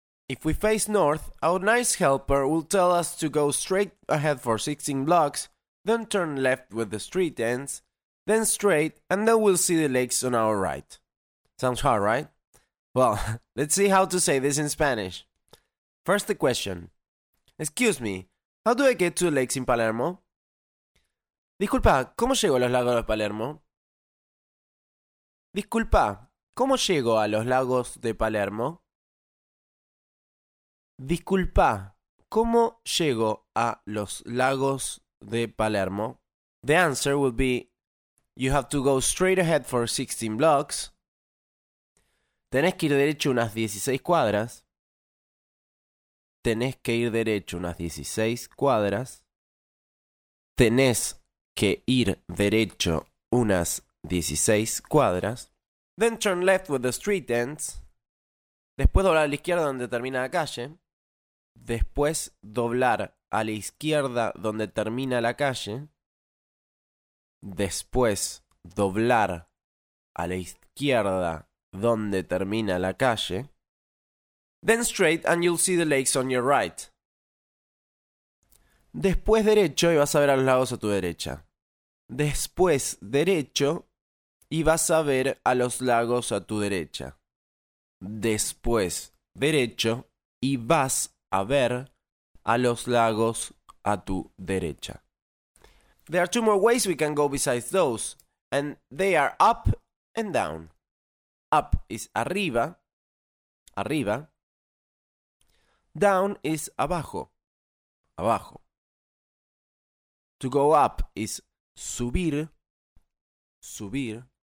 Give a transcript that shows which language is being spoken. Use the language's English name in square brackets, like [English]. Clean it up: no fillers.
[English] If we face north, our nice helper will tell us to go straight ahead for 16 blocks, then turn left where the street ends, then straight, and then we'll see the lakes on our right. Sounds hard, right? Well, let's see how to say this in Spanish. First, the question. Excuse me, how do I get to the lakes in Palermo? [Spanish] Disculpa, ¿cómo llego a los lagos de Palermo? Disculpa, ¿cómo llego a los lagos de Palermo? Disculpa, ¿cómo llego a los lagos de Palermo? [English] The answer would be, you have to go straight ahead for 16 blocks. [Spanish] Tenés que ir derecho unas 16 cuadras. Tenés que ir derecho unas 16 cuadras. Tenés que ir derecho unas 16 cuadras. [English] Then turn left where the street ends. [Spanish] Después doblar a la izquierda donde termina la calle. Después doblar a la izquierda donde termina la calle. Después doblar a la izquierda donde termina la calle. [English] Then straight and you'll see the lakes on your right. [Spanish] Después derecho y vas a ver a los lagos a tu derecha. Después derecho y vas a ver a los lagos a tu derecha. Después derecho y vas a ver a los lagos a tu derecha. [English] There are two more ways we can go besides those, and they are up and down. Up is arriba, arriba. Down is abajo, abajo. To go up is subir, subir.